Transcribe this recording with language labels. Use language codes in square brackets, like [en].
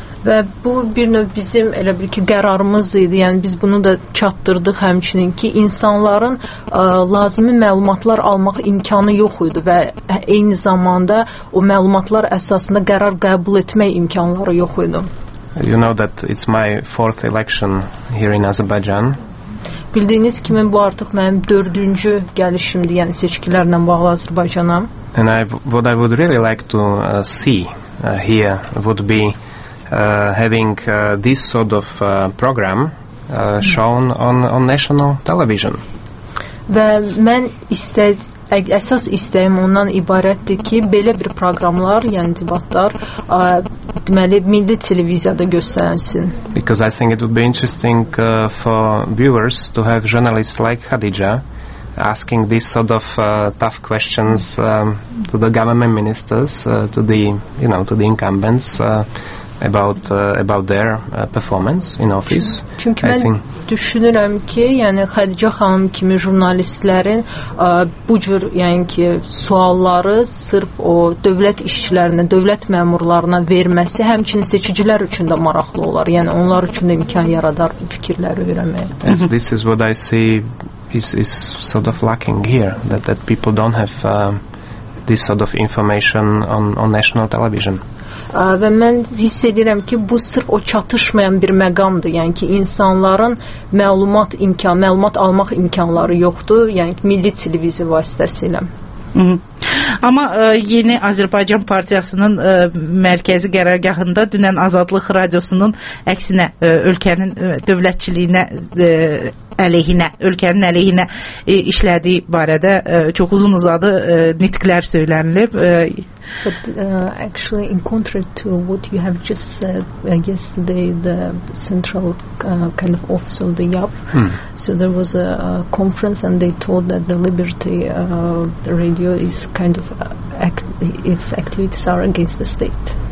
[az] Və bu bir növ bizim elə bil ki qərarımız idi. Yəni biz bunu da çatdırdıq həmçinin ki insanların lazımi məlumatlar almaq imkanı yox idi və eyni zamanda o məlumatlar əsasında qərar qəbul etmək imkanları yox idi. [en] You know that it's my fourth election here in Azerbaijan. [az] Bildiyiniz kimi bu artıq mənim 4-cü gəlişimdir, yəni seçkilərlə bağlı Azərbaycana. [en] And what I would really like to see here would be having this sort of program shown on national television. [az] Və mən əsas istəyim ondan ibarətdir ki, belə bir proqramlar, yəni debatlar, deməli milli televiziyada göstərilsin. [en] Because I think it would be interesting for viewers to have journalists like Khadija asking this sort of tough questions to the government ministers, to the, you know, to the incumbents. About their performance in office. [az] Çünki mən düşünürəm ki, yəni Xədicə xanım kimi jurnalistlərin bu cür, yəni ki, sualları sırf o dövlət işçilərinə, dövlət məmurlarına verməsi həmçinin seçicilər üçün də maraqlı olar. Yəni onlar üçün də imkan yaradar fikirləri öyrənməyə. [en] Yes, this is what I see is sort of lacking here, that people don't have this sort of information on national television. [az] Və mən hiss edirəm ki, bu sırf o çatışmayan bir məqamdır. Yəni ki, insanların məlumat almaq imkanları yoxdur. Yəni ki, milli televiziya vasitəsilə. Amma yeni Azərbaycan Partiyasının mərkəzi qərargahında dünən Azadlıq Radiosunun əksinə ölkənin dövlətçiliyinə əleyhinə, ölkənin əleyhinə işlədiyi barədə çox uzun uzadı nitqlər söylənilib. [en] But actually, in contrast to what you have just said yesterday, the central kind of office of the YAP, so there was a conference and they told that the Liberty Radio is kind of, its activities are against the state.